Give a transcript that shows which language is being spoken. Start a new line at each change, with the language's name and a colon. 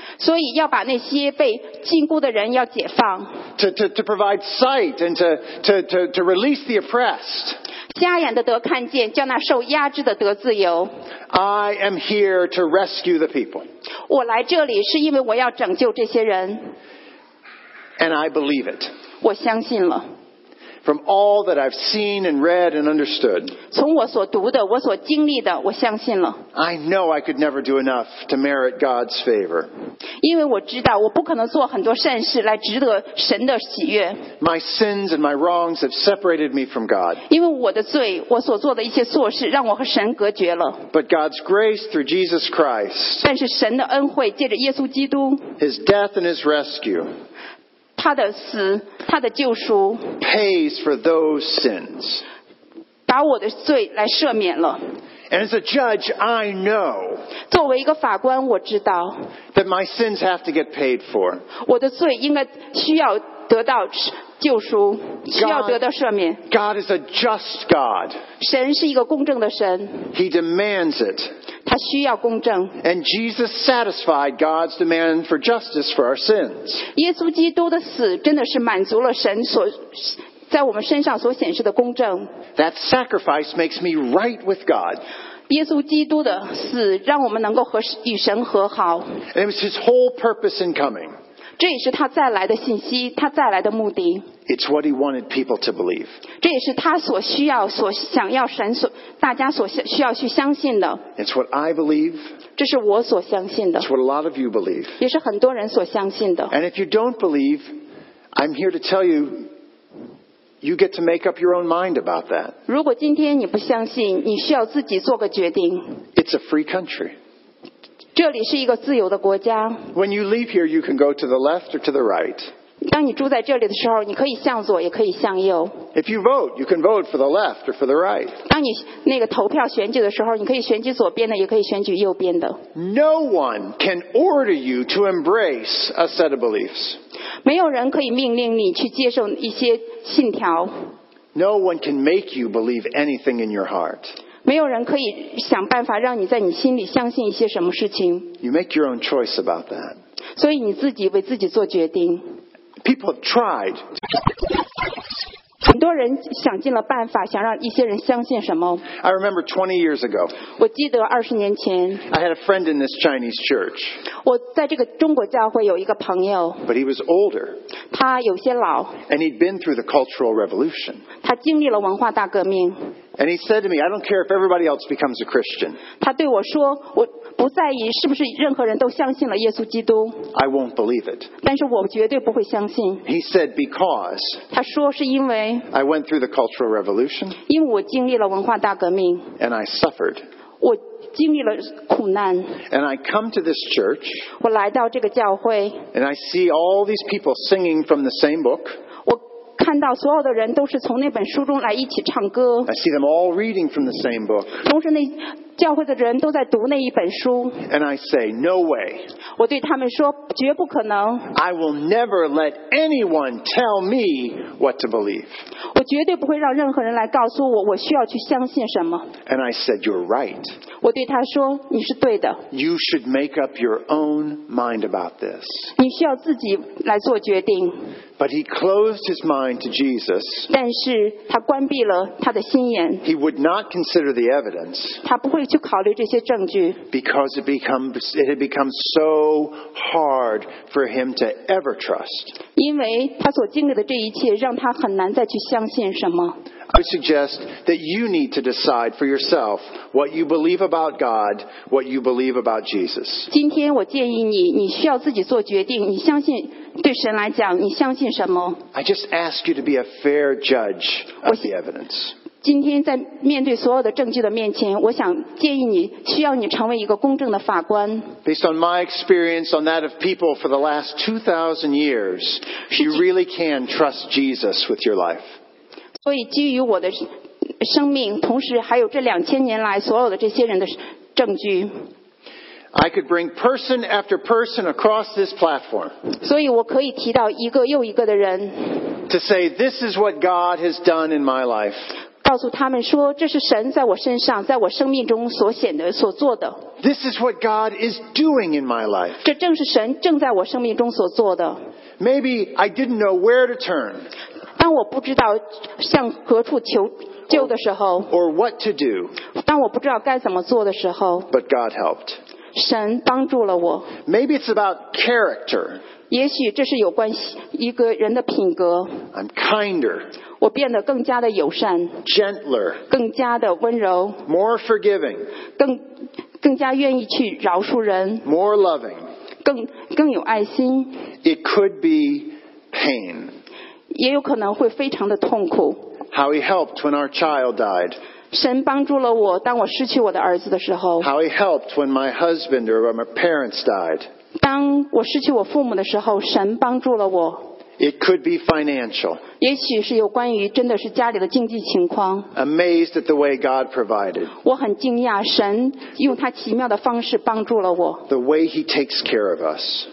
Chinese: 所以要把那些被禁锢的人要解放,
English: to provide sight and to release the oppressed.
Chinese: 瞎眼的得看见, 叫那受压制的得自由。
English: I am here to rescue the people.
Chinese: 我来这里是因为我要拯救这些人。
English: And I believe it.
Chinese: 我相信了。
English: From all that I've seen and read and understood,
Chinese: 从我所读的, 我所经历的, 我相信了。
English: I know I could never do enough to merit God's favor.
Chinese: 因为我知道, 我不可能做很多善事来值得神的喜悦。
English: My sins and my wrongs have separated me from God.
Chinese: 因为我的罪, 我所做的一些错事, 让我和神隔绝了。
English: But God's grace through Jesus Christ,
Chinese: 但是神的恩惠, 借着耶稣基督,
English: His death and His rescue,
Chinese: 他的死, 他的救赎,
English: pays for those sins.
Chinese: 把我的罪来赦免了。
English: And as a judge, I know
Chinese: 作为一个法官, 我知道,
English: that my sins have to get paid for.
Chinese: 我的罪应该需要得到救赎, 需要得到赦免。
English: God is a just God.
Chinese: 神是一个公正的神。
English: He demands it.
Chinese: 他需要公正。
English: And Jesus satisfied God's demand for justice for our sins.
Chinese: 耶稣基督的死真的是满足了神所需要的。在我们身上所显示的公正,
English: that sacrifice makes me right with God.
Chinese: 耶稣基督的死让我们能够和与神和好。
English: And it was his whole purpose in coming.
Chinese: 这也是他再来的信息，他再来的目的。
English: It's what he wanted people to believe.
Chinese: 这也是他所需要、所想要神所大家所需要去相信的。
English: It's what I believe.
Chinese: 这是我所相信的。
English: It's what a lot of you believe.
Chinese: 也是很多人所相信的。
English: And if you don't believe, I'm here to tell you, you get to make up your own mind about that.
Chinese: 如果今天你不相信，你需要自己做个决定。
English: It's a free country.
Chinese: 这里是一个自由的国家。
English: When you leave here, you can go to the left or to the right.
Chinese: 当你住在这里的时候，你可以向左，也可以向右。
English: If you vote, you can vote for the left or for the right.
Chinese: 当你那个投票选举的时候，你可以选举左边的，也可以选举右边的。
English: No one can order you to embrace a set of beliefs.
Chinese: 没有人可以命令你去接受一些信条。
English: No one can make you believe anything in your heart.
Chinese: 没有人可以想办法让你在你心里相信一些什么事情。
English: You make your own choice about that.
Chinese: 所以你自己为自己做决定。
English: People have tried.
Chinese: 很多人想尽了办法，想让一些人相信什么。
English: I remember 20 years ago.
Chinese: 我记得20年前。
English: I had a friend in this Chinese church.
Chinese: 我在这个中国教会有一个朋友。
English: But he was older.
Chinese: 他有些老。
English: And he'd been through the Cultural Revolution.
Chinese: 他经历了文化大革命。
English: And he said to me, I don't care if everybody else becomes a Christian.
Chinese: 他对我说，我不在意是不是任何人都相信了耶稣基督。
English: I won't believe it.
Chinese: 但是我绝对不会相信。
English: He said, because
Chinese: 他说是因为
English: I went through the Cultural Revolution.
Chinese: 因为我经历了文化大革命。
English: And I suffered.
Chinese: 我经历了苦难。
English: And I come to this church.
Chinese: 我来到这个教会。
English: And I see all these people singing from the same book.
Chinese: 看到所有的人都是从那本书中来一起唱歌。
English: I see them all reading from the same book.
Chinese: 同时那教会的人都在读那一本书。
English: And I say, no way.
Chinese: 我对他们说，绝不可能。
English: I will never let anyone tell me what to believe.
Chinese: 我绝对不会让任何人来告诉我，我需要去相信什么。
English: And I said, you're right.
Chinese: 我对他说，你是对的。
English: You should make up your own mind about this.
Chinese: 你需要自己来做决定。
English: But he closed his mind to Jesus.
Chinese: 但是他关闭了他的心眼。
English: He would not consider the evidence.
Chinese: 他不会去考虑这些证据。
English: Because it had become so hard for him to ever trust.
Chinese: 因为他所经历的这一切让他很难再去相信什么。
English: I suggest that you need to decide for yourself what you believe about God, what you believe about Jesus.
Chinese: 今天我建议你，你需要自己做决定，你相信。对神来讲，你相信什么？
English: I just ask you to be a fair judge of the evidence.
Chinese: 今天在面对所有的证据的面前，我想建议你，需要你成为一个公正的法官。
English: Based on my experience on that of people for the last 2,000 years, you really can trust Jesus with your life.
Chinese: 所以基于我的生命，同时还有这2000年来所有的这些人的证据。
English: I could bring person after person across this platform.
Chinese: 所以我可以提到一个又一个的人。
English: To say this is what God has done in my life.
Chinese: 告诉他们说，这是神在我身上，在我生命中所显的、所做的。
English: This is what God is doing in my life.
Chinese: 这正是神正在我生命中所做的。
English: Maybe I didn't know where to turn.
Chinese: 当我不知道向何处求。救的时候
English: or what to do.
Chinese: 当我不知道该怎么做的时候
English: But God helped.
Chinese: 神帮助了我
English: Maybe it's about character.
Chinese: 也许这是有关一个人的品格
English: I'm kinder.
Chinese: 我变得更加的友善
English: Gentler.
Chinese: 更加的温柔
English: More forgiving.
Chinese: 更加愿意去饶恕人
English: More loving.
Chinese: 更有爱心
English: It could be pain.
Chinese: 也有可能会非常的痛苦
English: How he helped when our child died.
Chinese: 神帮助了我，当我失去我的儿子的时候。
English: How he helped when my husband or my parents died.
Chinese: 当我失去我父母的时候，神帮助了我。
English: It could be financial.
Chinese: 也许是有关于真的是家里的经济情况。
English: Amazed at the way God provided.
Chinese: 我很惊讶，神用他奇妙的方式帮助了我。
English: The way he takes care of us.